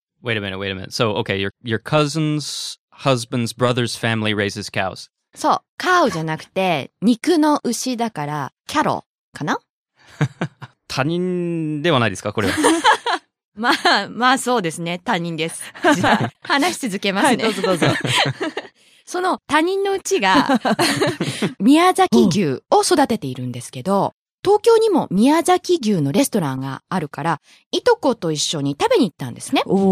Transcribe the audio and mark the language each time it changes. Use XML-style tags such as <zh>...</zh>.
<en>Wait a minute, wait a minute. So, okay, your cousin's husband's brother's family raises cows.</en> <ja>そう、カウじゃなくて肉の牛だからキャロかな？他人ではないですか、これは。まあ、まあそうですね、他人です。じゃあ、話し続けますね。はい、どうぞどうぞ。その他人のうちが宮崎牛を育てているんですけど、東京にも宮崎牛のレストランがあるから、いとこと一緒に食べに行ったんですね。</ja>